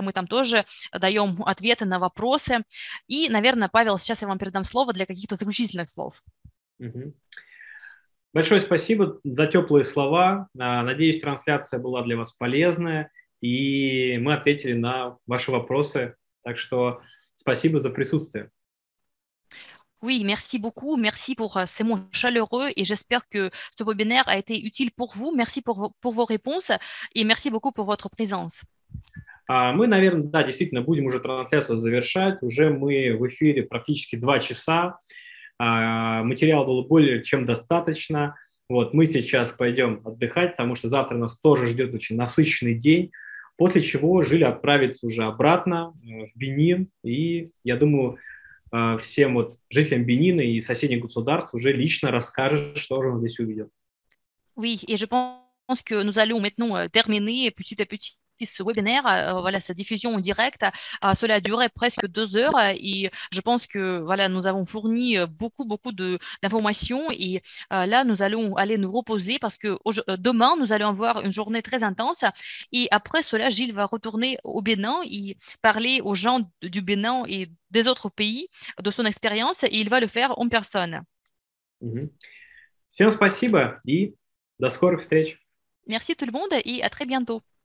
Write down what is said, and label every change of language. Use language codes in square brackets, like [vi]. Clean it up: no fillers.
[ru] Мы там тоже даем ответы на вопросы. И, наверное, Павел, сейчас я вам передам слово для каких-то заключительных слов. Большое спасибо за теплые слова. Надеюсь, трансляция была для вас полезная. И мы ответили на ваши вопросы. Так что спасибо за присутствие. [fr] Oui, merci beaucoup. Merci pour ces mots chaleureux et j'espère que ce webinaire a été utile pour vous. Merci pour vos réponses et merci beaucoup pour votre présence. [ru] Мы, наверное, да, действительно, будем уже трансляцию завершать. Уже мы в эфире практически 2 часа. Материала было более чем достаточно. Вот, мы сейчас пойдем отдыхать, потому что завтра нас тоже ждет очень насыщенный день, после чего Жиле отправится уже обратно в Бенин. И я думаю, всем вот жителям Бенина и соседних государств уже лично расскажет, что же он здесь увидел. [fr] Oui, et je pense que nous allons maintenant terminer petit à petit ce webinaire, voilà, sa diffusion en direct. Cela a duré presque 2 heures et je pense que voilà, nous avons fourni beaucoup, beaucoup d'informations et là, nous allons aller nous reposer parce que demain, nous allons avoir une journée très intense et après cela, Gilles va retourner au Bénin et parler aux gens du Bénin et des autres pays de son expérience et il va le faire en personne. [ru] Всем спасибо и до скорых встреч. [fr] Merci tout le monde et à très bientôt.